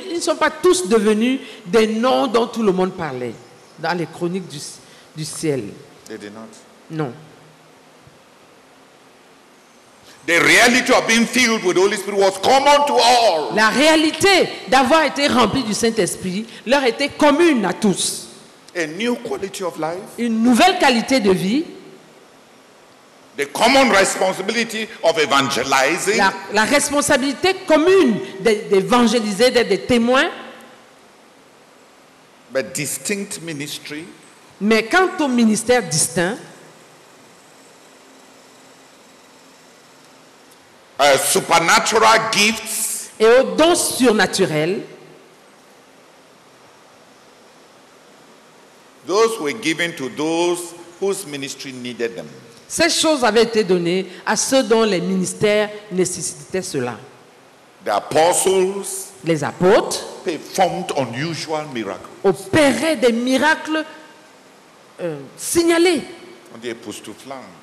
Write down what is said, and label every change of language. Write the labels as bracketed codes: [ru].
[fr] Ils ne sont pas tous devenus des noms dont tout le monde parlait dans les chroniques du ciel. Non. [en] The reality of being filled with the Holy Spirit was common to all. [fr] La réalité d'avoir été rempli du Saint-Esprit leur était commune à tous. [en] A new quality of life. [fr] Une nouvelle qualité de vie. [en] The common responsibility of evangelizing. [fr] La responsabilité commune d'évangéliser, d'être des témoins. [en] But distinct ministry. [fr] Mais quant au ministère distinct. [en] Supernatural gifts. [fr] Et aux dons surnaturels. [en] Those were given to those whose ministry needed them. [fr] Ces choses avaient été données à ceux dont les ministères nécessitaient cela. [en] The apostles. [fr] Les apôtres. [en] Performed unusual miracles. [fr] Opéraient des miracles signalés. On dit époustouflant.